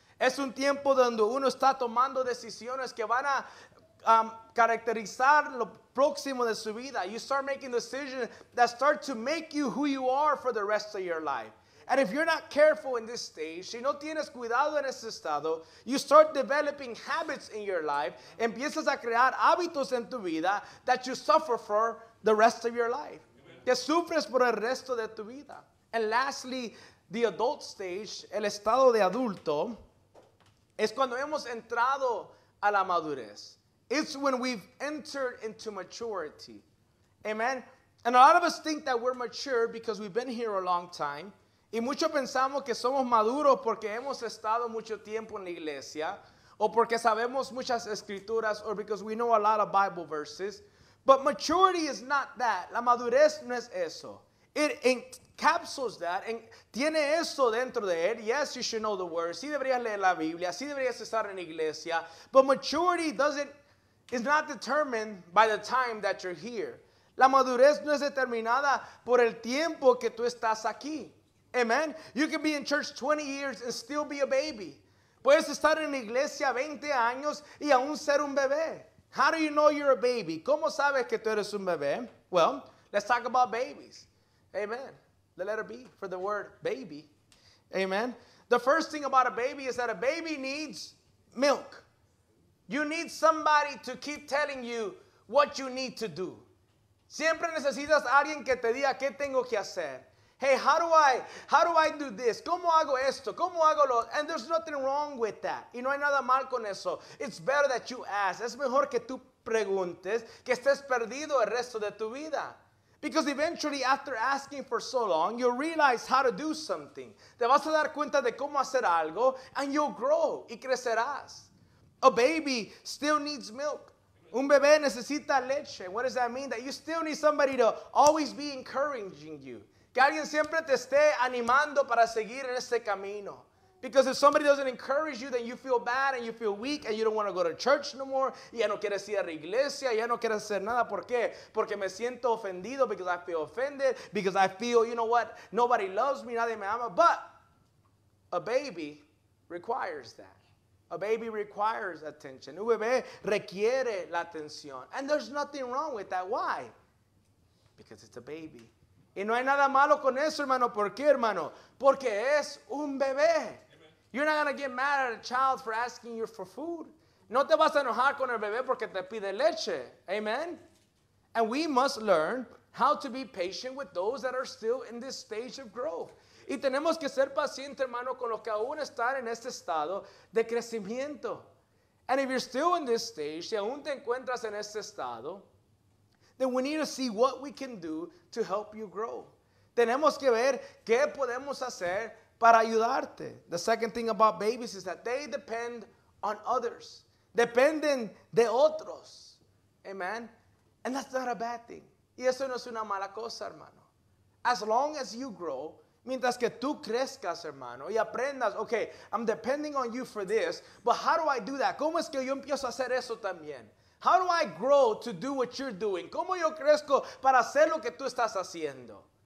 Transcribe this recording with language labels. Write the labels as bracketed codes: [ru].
[es] Es un tiempo donde uno está tomando decisiones que van a caracterizar lo próximo de su vida. [en] You start making decisions that start to make you who you are for the rest of your life. And if you're not careful in this stage, [es] si no tienes cuidado en ese estado, [en] you start developing habits in your life, [es] empiezas a crear hábitos en tu vida [en] that you suffer for the rest of your life. [es] Que sufres por el resto de tu vida. [en] And lastly, the adult stage, [es] el estado de adulto, es cuando hemos entrado a la madurez. [en] It's when we've entered into maturity. Amen. And a lot of us think that we're mature because we've been here a long time. [es] Y muchos pensamos que somos maduros porque hemos estado mucho tiempo en la iglesia, o porque sabemos muchas escrituras, [en] or because we know a lot of Bible verses. But maturity is not that. [es] La madurez no es eso. [en] It encapsulates that. And [es] tiene eso dentro de él. [en] Yes, you should know the word. [es] Sí deberías leer la Biblia. Sí deberías estar en la iglesia. [en] But maturity is not determined by the time that you're here. [es] La madurez no es determinada por el tiempo que tú estás aquí. [en] Amen. You can be in church 20 years and still be a baby. [es] Puedes estar en la iglesia 20 años y aún ser un bebé. [en] How do you know you're a baby? [es] ¿Cómo sabes que tú eres un bebé? [en] Well, let's talk about babies. Amen. The letter B for the word baby. Amen. The first thing about a baby is that a baby needs milk. You need somebody to keep telling you what you need to do. [es] Siempre necesitas alguien que te diga qué tengo que hacer. [en] Hey, how do I do this? [es] ¿Cómo hago esto? ¿Cómo hago lo? [en] And there's nothing wrong with that. [es] Y no hay nada mal con eso. [en] It's better that you ask. [es] Es mejor que tú preguntes que estés perdido el resto de tu vida. [en] Because eventually, after asking for so long, you'll realize how to do something. [es] Te vas a dar cuenta de cómo hacer algo, and you'll grow, y crecerás. [en] A baby still needs milk. [es] Un bebé necesita leche. [en] What does that mean? That you still need somebody to always be encouraging you. [es] Que alguien siempre te esté animando para seguir en este camino. [en] Because if somebody doesn't encourage you, then you feel bad and you feel weak and you don't want to go to church no more. [es] Y ya no quieres ir a la iglesia, ya no quieres hacer nada. ¿Por qué? Porque me siento ofendido, [en] because I feel offended, because I feel, you know what, nobody loves me, [es] nadie me ama. [en] But a baby requires that. A baby requires attention. [es] Un bebé requiere la atención. [en] And there's nothing wrong with that. Why? Because it's a baby. [es] Y no hay nada malo con eso, hermano. ¿Por qué, hermano? Porque es un bebé. Amen. [en] You're not going to get mad at a child for asking you for food. [es] No te vas a enojar con el bebé porque te pide leche. [en] Amen. And we must learn how to be patient with those that are still in this stage of growth. [es] Y tenemos que ser paciente, hermano, con los que aún están en este estado de crecimiento. [en] And if you're still in this stage, [es] si aún te encuentras en este estado, [en] then we need to see what we can do to help you grow. [es] Tenemos que ver qué podemos hacer para ayudarte. [en] The second thing about babies is that they depend on others. [es] Dependen de otros. Amen. [en] And that's not a bad thing. [es] Y eso no es una mala cosa, hermano. [en] As long as you grow, [es] mientras que tú crezcas, hermano, y aprendas, [en] okay, I'm depending on you for this, but how do I do that? [es] ¿Cómo es que yo empiezo a hacer eso también? [en] How do I grow to do what you're doing? [es] ¿Cómo yo crezco para hacer lo que tú estás haciendo?